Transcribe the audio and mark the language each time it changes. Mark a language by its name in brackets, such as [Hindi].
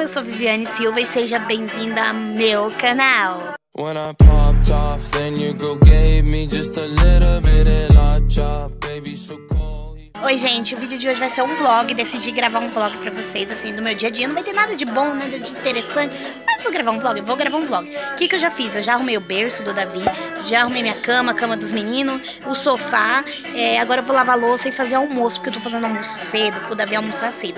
[Portuguese] Eu sou Viviane Silva e seja bem-vinda ao meu canal. [English] When I popped off, then your girl gave me just a little bit of a chop, baby, so cold. [Portuguese] Oi gente, o vídeo de hoje vai ser um vlog, decidi gravar um vlog pra vocês, assim, do meu dia a dia. Não vai ter nada de bom, nada de interessante, mas vou gravar um vlog. O que eu já fiz? Eu já arrumei o berço do Davi, já arrumei minha cama, a cama dos meninos, o sofá, agora eu vou lavar a louça e fazer almoço, porque eu tô fazendo almoço cedo, pro Davi almoçar cedo.